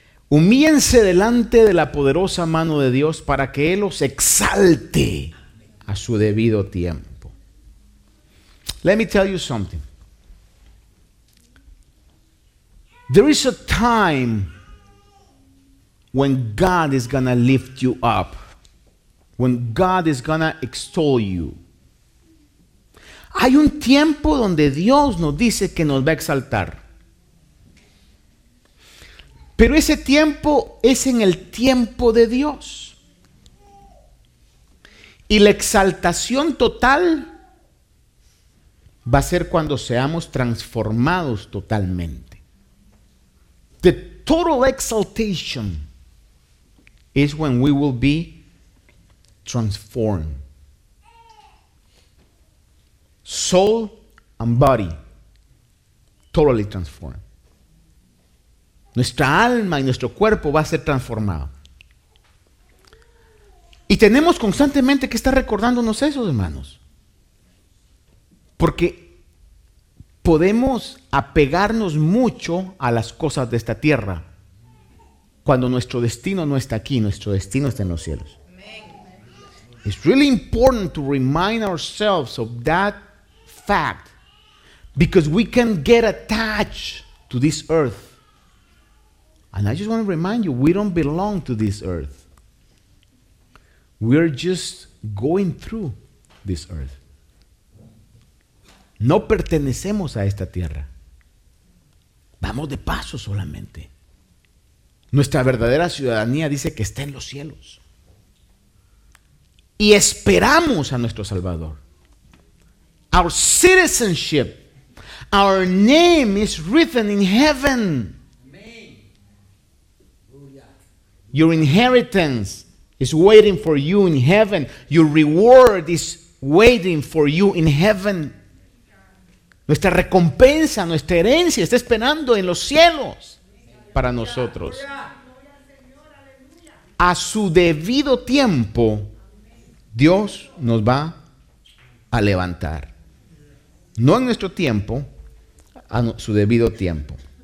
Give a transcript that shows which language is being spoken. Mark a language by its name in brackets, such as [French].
[Spanish] Humíllense delante de la poderosa mano de Dios para que Él los exalte a su debido tiempo. [English] Let me tell you something. There is a time when God is gonna lift you up, when God is gonna extol you. [Spanish] Hay un tiempo donde Dios nos dice que nos va a exaltar. Pero ese tiempo es en el tiempo de Dios. Y la exaltación total va a ser cuando seamos transformados totalmente. [English] The total exaltation is when we will be transformed. Soul and body, totally transformed. [Spanish] Nuestra alma y nuestro cuerpo va a ser transformado. Y tenemos constantemente que estar recordándonos eso, hermanos. Porque podemos apegarnos mucho a las cosas de esta tierra cuando nuestro destino no está aquí, nuestro destino está en los cielos. [English] It's really important to remind ourselves of that fact, because we can get attached to this earth. And I just want to remind you, we don't belong to this earth. We're just going through this earth. [Spanish] No pertenecemos a esta tierra. Vamos de paso solamente. Nuestra verdadera ciudadanía dice que está en los cielos. Y esperamos a nuestro Salvador. [English] Our citizenship, our name is written in heaven. Your inheritance is waiting for you in heaven. Your reward is waiting for you in heaven. [Spanish] Nuestra recompensa, nuestra herencia está esperando en los cielos para nosotros. A su debido tiempo, Dios nos va a levantar. No en nuestro tiempo, a su debido tiempo.